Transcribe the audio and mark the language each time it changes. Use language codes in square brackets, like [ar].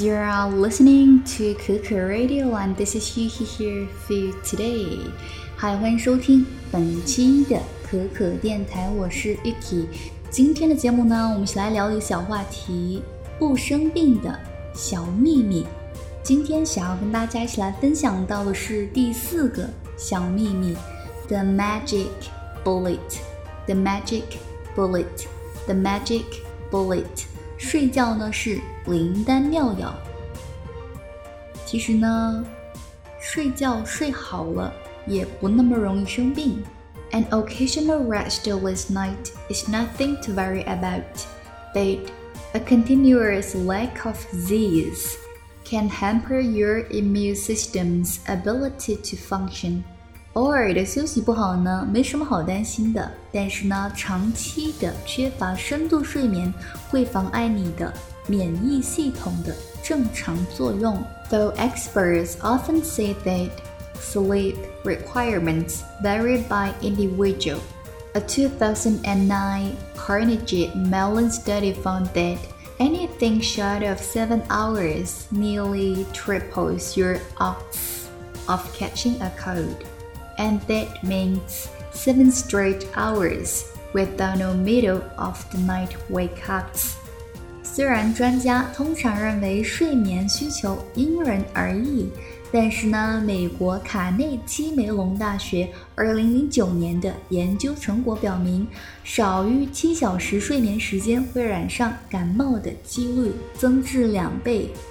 [en] You are listening to Cuckoo Radio, and this is Yu Hee here for you today. [zh] Hi, 欢迎收听本期的可可电台，我是 Yuki。今天的节目呢，我们一起来聊一个小话题，不生病的小秘密。今天想要跟大家一起来分享到的是第四个小秘密 ， [en] The Magic Bullet, The Magic Bullet, [zh] The Magic Bullet。睡觉呢是灵丹妙药。其实呢，睡觉睡好了也不那么容易生病。 [en] An occasional restless night is nothing to worry about, but a continuous lack of zest can hamper your immune system's ability to function. [zh] 偶尔的休息不好呢，没什么好担心的。但是呢，长期的缺乏深度睡眠会妨碍你的免疫系统的正常作用。 [en] Though experts often say that sleep requirements vary by individual, a 2009 Carnegie Mellon study found that anything short of 7 hours nearly triples your odds of catching a cold. And that means 7 straight hours without no middle of the night wake-ups. [zh] 虽然专家通常认为睡眠需求因人而异，但是呢，美国卡内基梅隆大学2009年的研究成果表明，少于7小时睡眠时间会染上感冒的几率增至两倍。